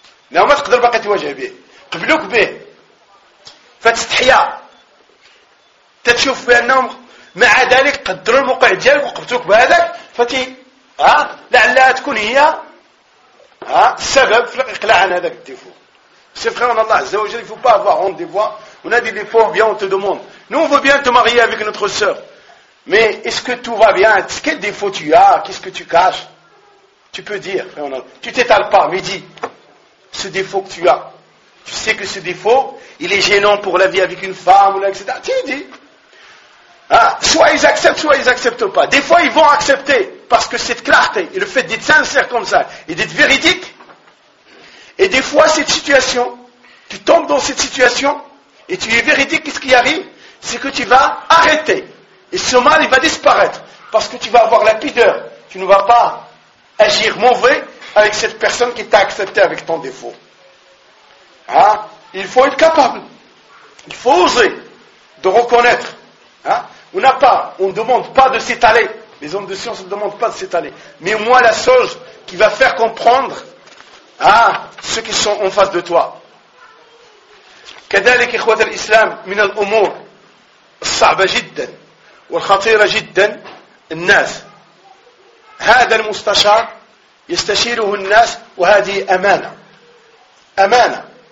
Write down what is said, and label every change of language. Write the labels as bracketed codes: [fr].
[ar] لا ما تقدر باقي تواجه به قبلوك به فتستحيا تتشوف بانهم مع ذلك قدروا الموقع ديالك وقبتوك بهذاك فتي ها لعلا تكون هي ها السبب في الاقلاع عن هذاك الديفو [fr] C'est vrai, on a Allah, il ne faut pas avoir honte des voix. On a des défauts, bien on te demande. Nous, on veut bien te marier avec notre sœur. Mais est-ce que tout va bien? Quel défaut tu as? Qu'est-ce que tu caches? Tu peux dire, frère, on a... tu ne t'étales pas, mais dis ce défaut que tu as. Tu sais que ce défaut, il est gênant pour la vie avec une femme, etc. Tu dis. Hein? Soit ils acceptent, soit ils n'acceptent pas. Des fois, ils vont accepter parce que cette clarté et le fait d'être sincère comme ça et d'être véridique. Et des fois, cette situation, tu tombes dans cette situation, et tu es véridique, qu'est-ce qui arrive? C'est que tu vas arrêter. Et ce mal, il va disparaître. Parce que tu vas avoir la pudeur. Tu ne vas pas agir mauvais avec cette personne qui t'a accepté avec ton défaut. Hein? Il faut être capable. Il faut oser de reconnaître. Hein? On n'a pas, on ne demande pas de s'étaler. Les hommes de science ne demandent pas de s'étaler. Mais moi, la chose qui va faire comprendre Ah, ceux qui sont en face de toi. [ar] كذلك إخوة الإسلام من الأمور الصعبة جدا والخطيرة جدا الناس. هذا المستشار يستشيره الناس وهذه أمانة. أمانة.